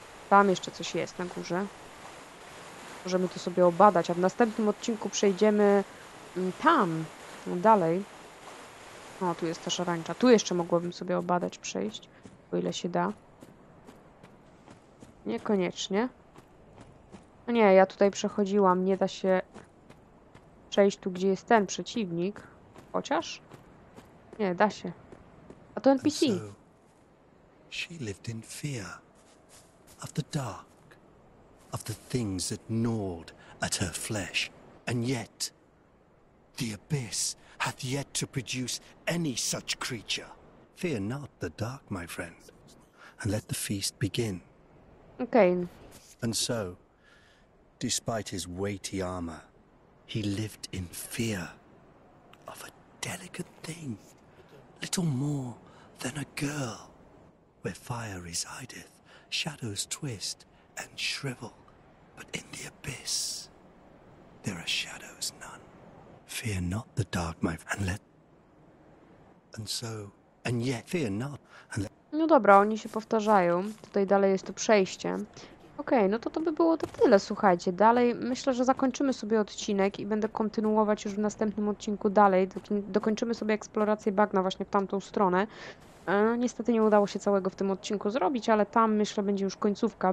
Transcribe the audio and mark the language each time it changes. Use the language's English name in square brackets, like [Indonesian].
[Polish] Tam jeszcze coś jest na górze. Możemy to sobie obadać, a w następnym odcinku przejdziemy tam, dalej. O, tu jest ta szarańcza. Tu jeszcze mogłabym sobie obadać, przejść, o ile się da. Niekoniecznie. No nie, ja tutaj przechodziłam, nie da się przejść tu, gdzie jest ten przeciwnik. Chociaż? Nie, da się. A to NPC. I tak, [English] she lived in fear of the dark, of the things that gnawed at her flesh. And yet, the abyss hath yet to produce any such creature. Fear not the dark, my friend, and let the feast begin. Okay. And so, despite his weighty armor, he lived in fear of a delicate thing, little more than a girl. Where fire resideth, shadows twist and shrivel, but in the abyss, there are shadows none. Fear not the dark, my friend, and let... And so, and yet, fear not, and let... [Polish] No dobra, oni się powtarzają. Tutaj dalej jest to przejście. Okej, okay, no to by było to tyle, słuchajcie. Dalej myślę, że zakończymy sobie odcinek i będę kontynuować już w następnym odcinku dalej. Dokończymy sobie eksplorację bagna właśnie w tamtą stronę. Niestety nie udało się całego w tym odcinku zrobić, ale tam myślę będzie już końcówka.